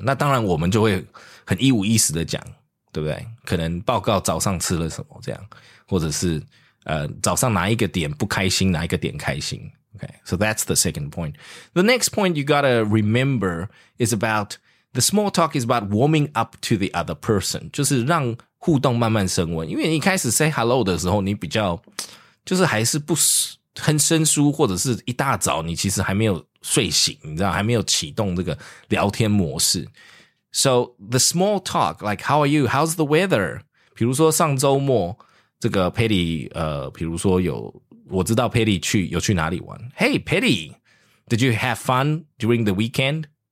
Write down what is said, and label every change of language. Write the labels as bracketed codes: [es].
[zh] 那当然我们就会很一五一十的讲，对不对？可能报告早上吃了什么这样，或者是早上哪一个点不开心，哪一个点开心。 [en] Okay, so that's the second point. The next point you gotta remember is about the small talk is about warming up to the other person. [zh] 就是让互动慢慢升温。因为你一开始 say hello 的时候，你比较就是还是不很生疏，或者是一大早你其实还没有睡醒，你知道，还没有启动这个聊天模式。 [en] So the small talk, like, how are you? [zh] How's the weather? 比如说上周末这个 Patty, 比如说有我知道 Patty 有去哪里玩。 [en] Hey, Patty, did you have fun during the weekend?